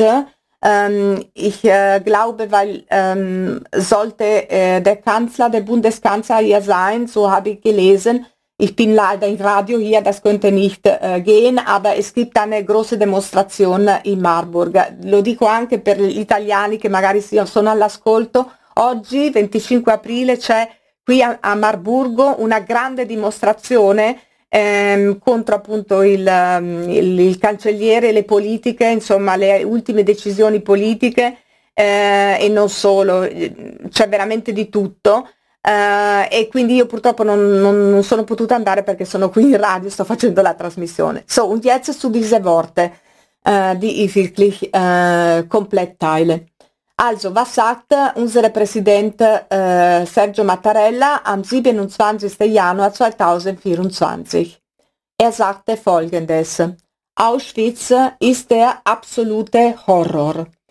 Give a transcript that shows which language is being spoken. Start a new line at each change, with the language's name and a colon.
German: Ich glaube, weil sollte der Kanzler, der Bundeskanzler hier sein, so habe ich gelesen. Ich bin leider im Radio hier, das könnte nicht gehen, aber es gibt eine große Demonstration in Marburg.
Italian: Lo dico anche per gli italiani che magari sono all'ascolto. Oggi, 25 aprile, c'è qui a Marburgo una grande dimostrazione contro appunto il cancelliere, le politiche, insomma le ultime decisioni politiche e non solo, c'è veramente di tutto. E quindi io purtroppo non sono potuta andare perché sono qui in radio, sto facendo la trasmissione.
German: So, und jetzt zu diese Worte, die ich wirklich komplett teile. Also, was sagt unser Präsident Sergio Mattarella am 27. Januar 2024? Er sagte folgendes: Auschwitz ist der absolute Horror.